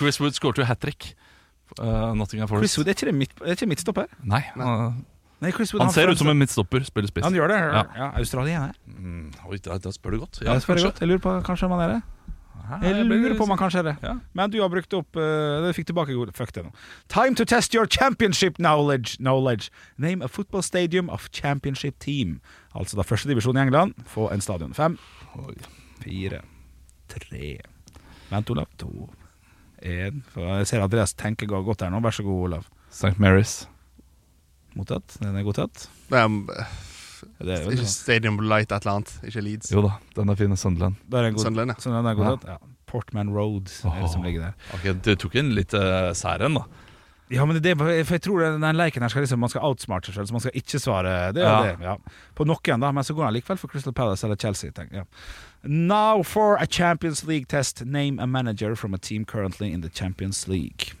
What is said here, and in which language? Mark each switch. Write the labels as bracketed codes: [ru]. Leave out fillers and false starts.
[no] Chris Wood skår til hat-trick. [en] Nothing for [no] Chris Wood, er ikke midtstopper? Nei. Nei, Chris Wood, han ser ut som en midtstopper, spiller spiss. Han gjør det. Ja. Ja, Australien, er det? Mm, da spør du godt. Ja, spør godt. Jeg lurer på kanskje om han er det. Ja. Men du har brukt opp du fikk tilbake god. Fuck det nå. [en] Time to test your championship knowledge. Name a football stadium of championship team. [no] Altså da første divisjon i England. Få en stadion. 5, 4, 3. Vent, Olav. 2, 1. Jeg ser Andreas tenke godt her nå. Vær så god, Olav. St. Mary's. Mottatt. Den er godtatt. Ikke Stadium Light, et eller annet. Ikke Leeds. Jo da, den er fin, Sunderland. Det er en god, Sunderland, ja. Sunderland er god, ja. Ja. Portman Road som ligger der. Ok, du tok en litt særen da. Ja, men det, for jeg tror den leken her skal liksom, man skal outsmart seg selv. Så man skal ikke svare det, ja. Det, ja. På noen da, men så går den likevel for Crystal Palace eller Chelsea, tenk, ja. [en] Now for a Champions League test. Name a manager from a team currently in the Champions League.